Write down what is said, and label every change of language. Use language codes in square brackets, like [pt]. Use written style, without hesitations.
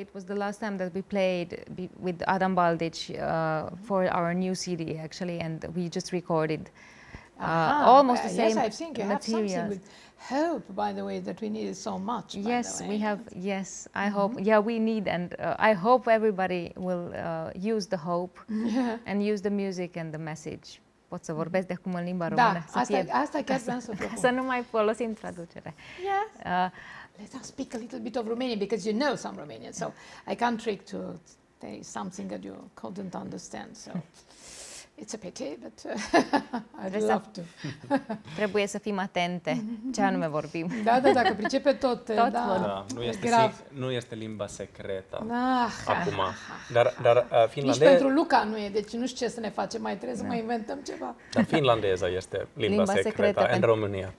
[en] It was the last time that we played with Adam Baldic for our new CD, actually, and we just recorded almost the same material. Yes, I think you materials. Have something with hope, by the way, that we need so much. Yes, by the way. We have. Yes, I hope. Yeah, we need, and I hope everybody will use the hope and use the music and the message. [ro] Pot să vorbesc de acum în limba română. Da, asta chiar vreau să propun. Să nu mai folosim traducere. [en] Let us speak a little bit of Romanian, because you know some Romanian, so I can't trick to say something that you couldn't understand, so it's a pity, but I'd love to. [ro] Trebuie să fim atente ce anume vorbim. Da, dacă pricepe tot. Tot vorbim. Nu este limba secretă acum. Dar finlandeză... Nici pentru Luca nu e, deci nu știu ce să ne facem, mai trebuie să mai inventăm ceva. Dar finlandeza este limba secretă în România.